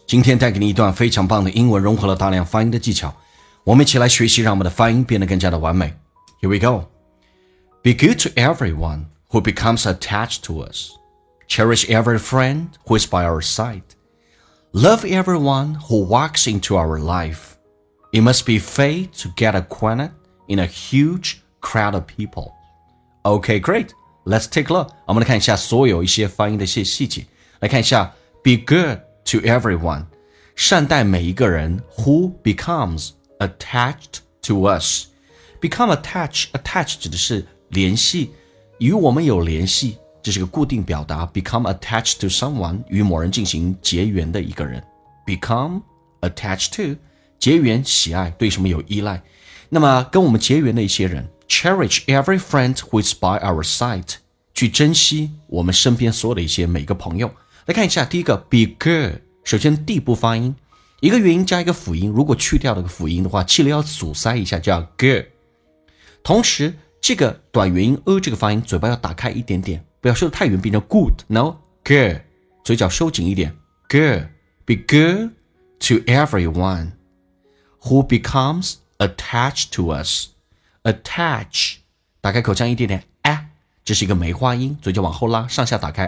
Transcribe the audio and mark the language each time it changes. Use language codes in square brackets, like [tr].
[zh] 今天带给你一段非常棒的英文，融合了大量发音的技巧，我们一起来学习，让我们的发音变得更加的完美。 [en] Here we go. Be good to everyone who becomes attached to us. Cherish every friend who is by our side. Love everyone who walks into our life. It must be fate to get acquainted in a huge crowd of people. Okay, great. Let's take a look. [zh] 我们来看一下所有一些发音的一些细节。来看一下 [en] be good to everyone. [zh] 善待每一个人 [en] who becomes attached to us. Become attached. [zh] Attached 指的是联系，与我们有联系，这是个固定表达。 [en] Become attached to someone. [zh] 与某人进行结缘的一个人。 [en] Become attached to. [zh] 结缘喜爱，对什么有依赖。那么跟我们结缘的一些人。 [en] Cherish every friend who is by our side. [zh] 去珍惜我们身边所有的一些每个朋友。来看一下第一个 [en] be good. [zh] 首先 D 不发音，一个元音加一个辅音，如果去掉了个辅音的话，气流要阻塞一下，叫 good. 同时这个短元音 o 这个发音，嘴巴要打开一点点，不要收得太远，变成 good. [en] No, good. [zh] 嘴角收紧一点， good. [en] Be good to everyone who becomes attached to us. [zh] Attach, 打开口腔一点点，哎，这是一个梅花音，嘴角往后拉，上下打开。